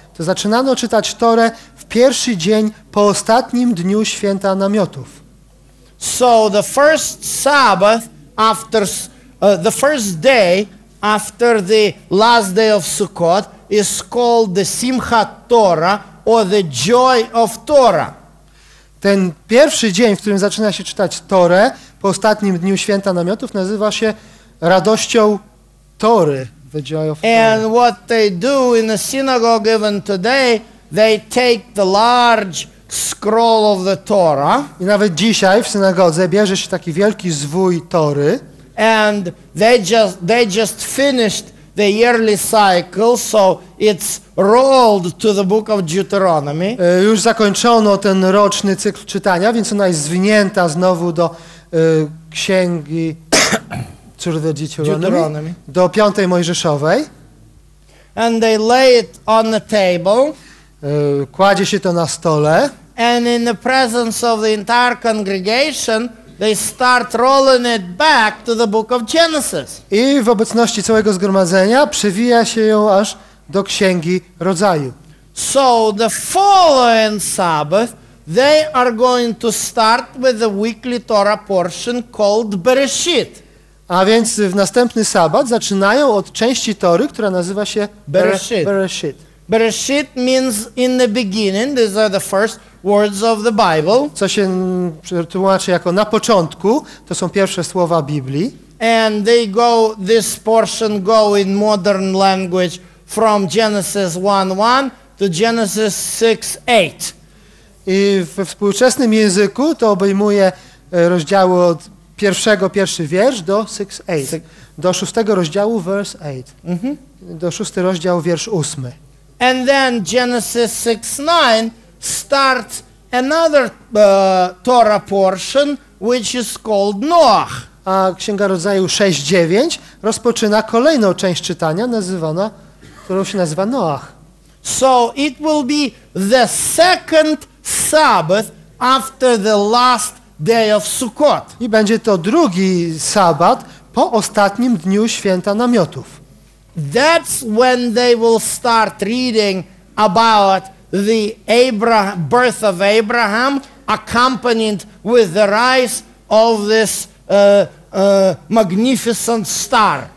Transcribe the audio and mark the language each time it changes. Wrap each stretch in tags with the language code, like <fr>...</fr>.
<pl>To zaczynano czytać Torę w pierwszy dzień po ostatnim dniu święta namiotów.</pl> <en>So the first Sabbath after the first day after the last day of Sukkot is called the Simchat Torah or the Joy of Torah.</en> <pl>Ten pierwszy dzień, w którym zaczyna się czytać Torę po ostatnim dniu święta namiotów, nazywa się radością Tory.</pl> <en>And what they do in the synagogue even today, they take the large scroll of the Torah.</en> <pl>I nawet dzisiaj w synagodze bierze się taki wielki zwój Tory.</pl> <en>And they just finished the yearly cycle, so it's rolled to the book of Deuteronomy.</en> <pl>Już zakończono ten roczny cykl czytania, więc ona jest zwinięta znowu do księgi Deuteronomy, do piątej Mojżeszowej.</pl> <en>And they lay it on the table.</en> <pl>Kładzie się to na stole.</pl> <en>And in the presence of the entire congregation, they start rolling it back to the book of Genesis.</en> <pl>I w obecności całego zgromadzenia przewija się ją aż do Księgi Rodzaju.</pl> <en>So the following Sabbath, they are going to start with the weekly Torah portion called Bereshit.</en> <pl>A więc w następny sabat zaczynają od części Tory, która nazywa się Bereshit.</pl> <en>Bereshit means in the beginning. These are the first words of the Bible.</en> <pl>Co się tłumaczy jako na początku, to są pierwsze słowa Biblii.</pl> <en>And they go, this portion go in modern language from Genesis 1:1 to Genesis 6:8.</en> <pl>I we współczesnym języku to obejmuje rozdziały od pierwszego, pierwszy wiersz do 6:8. Do szóstego rozdziału,</pl> <en>verse 8.</en> <pl>Mm-hmm. Do szósty rozdział, wiersz 8.</pl> <en>And then Genesis 6:9 starts another Torah portion, which is called Noach.</en> <pl>A Księga Rodzaju 6:9 rozpoczyna kolejną część czytania, nazywana, którą się nazywa Noach.</pl> <en>So it will be the second Sabbath after the last day of Sukkot.</en> <pl>I będzie to drugi sabbat po ostatnim dniu święta namiotów.</pl> <en>That's when they will start reading about the birth of Abraham, accompanied with the rise of this magnificent star.</en>